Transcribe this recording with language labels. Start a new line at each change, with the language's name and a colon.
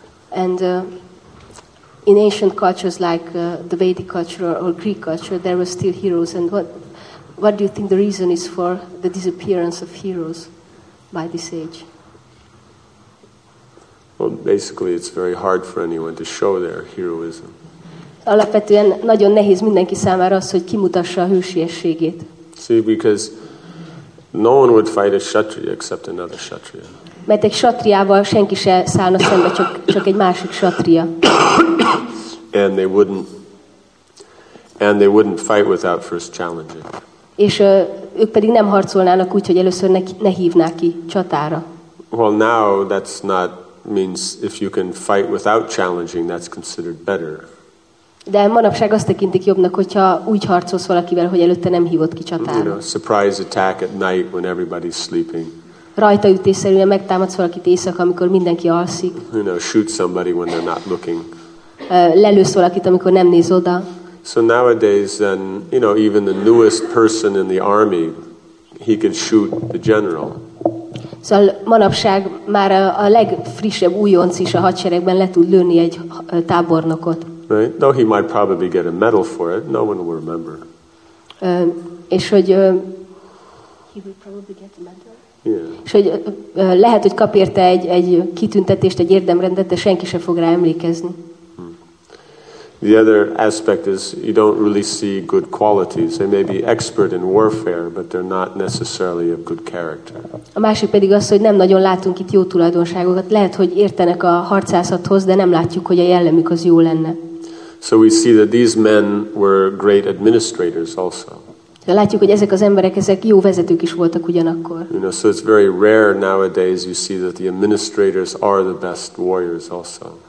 English: And in ancient cultures like the Vedic culture or Greek culture, there were still heroes. And what do you think the reason is for the disappearance of heroes by this age? Well, basically, it's very hard for anyone to show their heroism.
Hungarian: Alapvetően nagyon nehéz mindenki számára az, hogy kimutassa a hősiességét.
English: See, because no one would fight a kshatriya except another kshatriya.
Hungarian: Mert egy kshatriával senki se szállna szembe, csak egy másik kshatriya.
English: And they wouldn't fight without first challenging.
Hungarian: És ők pedig nem harcolnának úgy, hogy először ne hívnák ki csatára.
English: Well, now that's not means if you can fight without challenging, that's considered better.
Hungarian: De manapság azt tekintik jobbnak, hogyha úgy harcolsz valakivel, hogy előtte nem hívott ki csatára.
English: You know, surprise attack at night when everybody's sleeping.
Hungarian: Rajtaütésszerűen megtámadsz valakit éjszaka, amikor mindenki alszik.
English: You know, shoot somebody when they're not looking.
Hungarian: Lelősz valakit, amikor nem néz oda.
English: So nowadays, then, you know, even the newest person in the army, he can shoot the general.
Hungarian: Szóval manapság már a legfrissebb újonc is a hadseregben le tud lőni egy tábornokot.
English: Right? Though he might probably get a medal for it, no one will remember.
Hungarian: És hogy
English: he will probably get a medal. Yeah.
Hungarian: És hogy lehet, hogy kap érte egy kitüntetést, egy érdemrendet, de senki sem fog rá emlékezni. Hmm.
English: The other aspect is you don't really see good qualities. They may be expert in warfare, but they're not necessarily of good character.
Hungarian: A másik pedig az, hogy nem nagyon látunk itt jó tulajdonságokat. Lehet, hogy értenek a harcászathoz, de nem látjuk, hogy a jellemük az jó lenne.
English: So we see that these men were great administrators also.
Hungarian: Látjuk, hogy ezek az emberek, ezek jó vezetők is voltak ugyanakkor.
English: You know, so it's very rare nowadays you see that the administrators are the best warriors also.